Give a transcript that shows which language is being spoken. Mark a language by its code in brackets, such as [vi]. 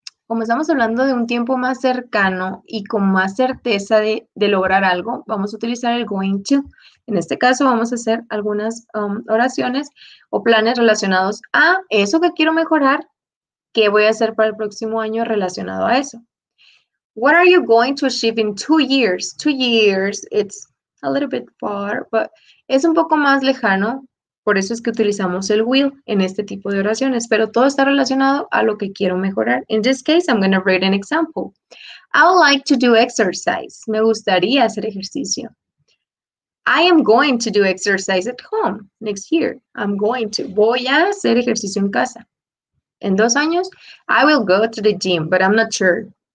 [es] Como estamos hablando de un tiempo más cercano y con más certeza de lograr algo, vamos a utilizar el going to. En este caso, vamos a hacer algunas oraciones o planes relacionados a eso que quiero mejorar, qué voy a hacer para el próximo año relacionado a eso. [en] What are you going to achieve in 2 years? 2 years, it's a little bit far, but [es] es un poco más lejano. Por eso es que utilizamos el will en este tipo de oraciones, pero todo está relacionado a lo que quiero mejorar. [en] In this case, I'm going to read an example. I would like to do exercise. [es] Me gustaría hacer ejercicio. [en] I am going to do exercise at home next year. I'm going to. [es] Voy a hacer ejercicio en casa. En 2 años, [en] I will go to the gym, but I'm not sure.